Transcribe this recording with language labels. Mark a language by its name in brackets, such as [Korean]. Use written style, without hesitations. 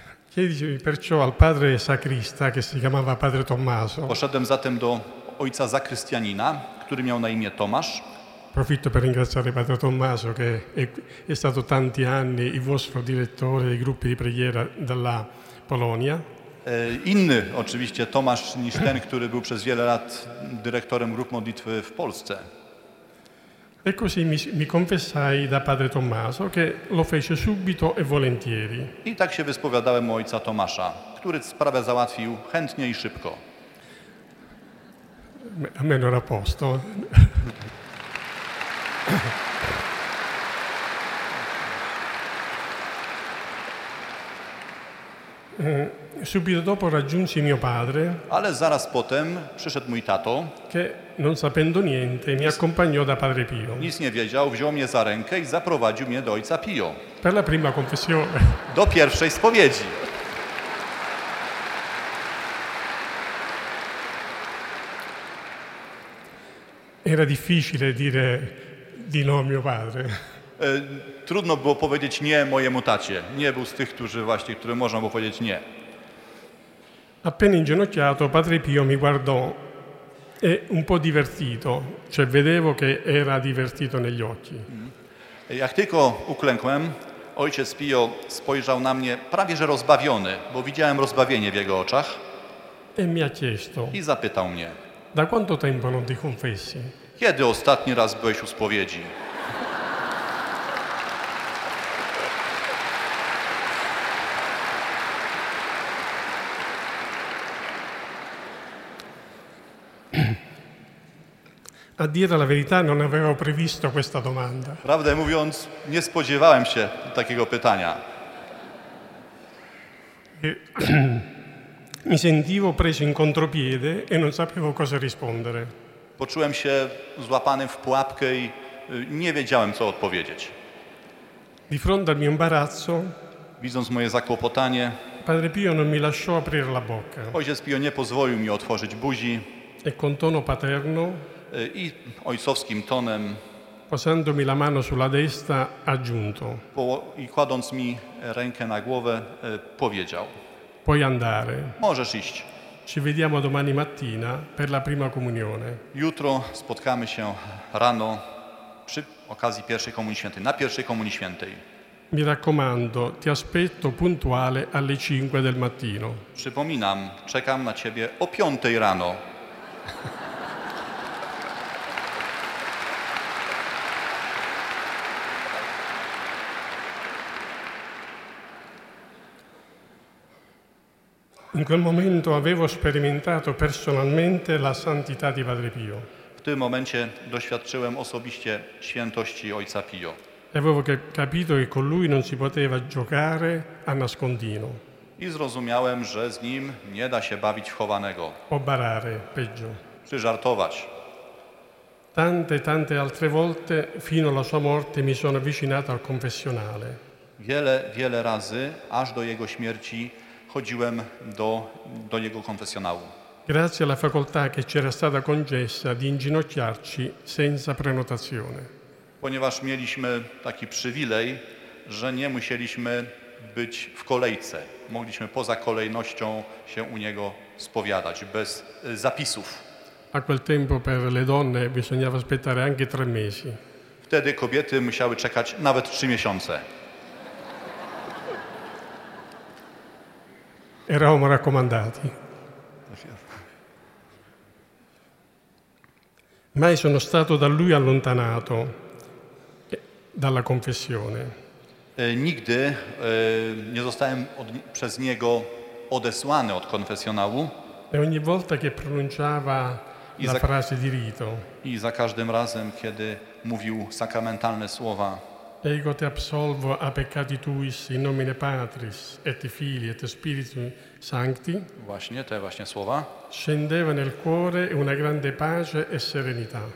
[Italian] Chiedici perciò al padre sacrista, che si chiamava padre Tommaso. [Polish] Poszedłem zatem do ojca zakrystianina, który miał na imię Tomasz. [Italian] Profitto per ringraziare padre Tommaso, che è stato tanti anni il vostro direttore dei gruppi di preghiera dalla Polonia. [Polish] Inny oczywiście Tomasz niż ten, który był przez wiele lat dyrektorem grup modlitwy w Polsce. [Italian] E così mi confessai da padre Tommaso, che lo fece subito e volentieri. [Polish] I tak się wyspowiadałem u ojca Tomasza, który sprawę załatwił chętnie i szybko. [Italian] A me non era posto. Subito dopo raggiunsi mio padre. [Polish] Ale zaraz potem przyszedł mój tato. [Italian] Che non sapendo niente mi accompagnò da padre Pio. [Polish] Nic nie wiedział, wziął mnie za rękę i zaprowadził mnie do ojca Pio. [Italian] Per la prima confessione. [Polish] Do pierwszej spowiedzi. [Italian] Era difficile dire di no mio padre. [Polish] Trudno było powiedzieć nie mojemu tacie. Nie był z tych, którzy właśnie, którym można było powiedzieć nie. [Italian] Appena inginocchiato, padre Pio mi guardò e un po' divertito, cioè vedevo che era divertito negli occhi. [Polish] Jak tylko uklękłem, ojciec Pio spojrzał na mnie prawie że rozbawiony, bo widziałem rozbawienie w jego oczach. [Italian] E mi ha chiesto. [Polish] I zapytał mnie. [Italian] Da quanto tempo non ti confessi? [Polish] Kiedy ostatni raz byłeś u spowiedzi? [Italian] A dire la verità non avevo previsto questa domanda. [Polish] Prawdę mówiąc, nie spodziewałem się takiego pytania. [Italian] Mi sentivo preso in contropiede e non sapevo cosa rispondere. [Polish] Poczułem się złapany w pułapkę i nie wiedziałem co odpowiedzieć. [Italian] Di fronte al mio imbarazzo, [Polish] widząc moje zakłopotanie, [Italian] padre Pio non mi lasciò aprire la bocca. [Polish] Ojciec Pio nie pozwolił mi otworzyć buzi. [Italian] E con tono paterno, [Polish] i ojcowskim tonem, [Italian] posandomi la mano sulla destra, aggiunto, [Polish] i kładąc mi rękę na głowę, powiedział: [Italian] puoi andare. [Polish] Możesz iść. [Italian] Ci vediamo domani mattina per la prima comunione. [Polish] Jutro spotkamy się rano przy okazji pierwszej komunii świętej, na pierwszej komunii świętej. [Italian] Mi raccomando, ti aspetto puntuale alle 5 del mattino. [Polish] Przypominam, czekam na ciebie o 5 rano. [Italian] In quel momento avevo sperimentato personalmente la santità di Padre Pio. [Polish] W tym momencie doświadczyłem osobiście świętości ojca Pio. [Italian] Avevo capito che con lui non si poteva giocare a nascondino. [Polish] I zrozumiałem, że z nim nie da się bawić w chowanego. [Italian] O barare, peggio. [Polish] Czy żartować. [Italian] Tante altre volte, fino alla sua morte, mi sono avvicinato al confessionale. [Polish] Wiele razy, aż do jego śmierci, chodziłem do jego konfesjonału. [Italian] Grazie alla facoltà che c'era stata concessa di inginocchiarci senza prenotazione. [Polish] Ponieważ mieliśmy taki przywilej, że nie musieliśmy być w kolejce. Mogliśmy poza kolejnością się u niego spowiadać, bez zapisów. [Italian] A quel tempo per le donne bisognava aspettare anche 3 mesi. [Polish] Wtedy kobiety musiały czekać nawet 3 miesiące. [Italian] Eravamo raccomandati. Mai sono stato da lui allontanato dalla confessione. [Polish] Nigdy nie zostałem przez niego odesłany od konfesjonału. [Italian] E ogni volta che pronunciava la frase di rito. [Polish] I za każdym razem, kiedy mówił sakramentalne słowa. [Latin] Ego te absolvo a peccati tuis in nomine Patris et Filii et Spiritus Sancti. [Polish] Właśnie te właśnie słowa. [Italian] Scendeva nel cuore una grande pace e serenità.